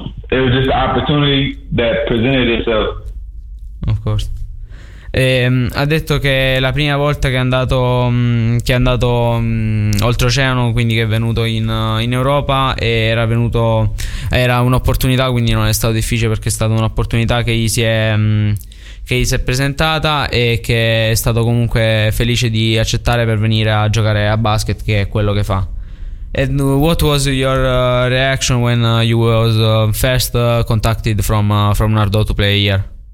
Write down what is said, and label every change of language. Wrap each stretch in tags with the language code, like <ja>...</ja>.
<en>It was just the opportunity that presented itself. Of course.</en> <it>Ha detto che la prima volta che è andato oltreoceano, quindi che è venuto in Europa, era un'opportunità, quindi non è stato difficile perché è stata un'opportunità che gli si è presentata e che è stato comunque felice di accettare per venire a giocare a basket, che è quello che fa.</it> <en>And what was your reaction when you was first contacted from Nardò to play here?</en>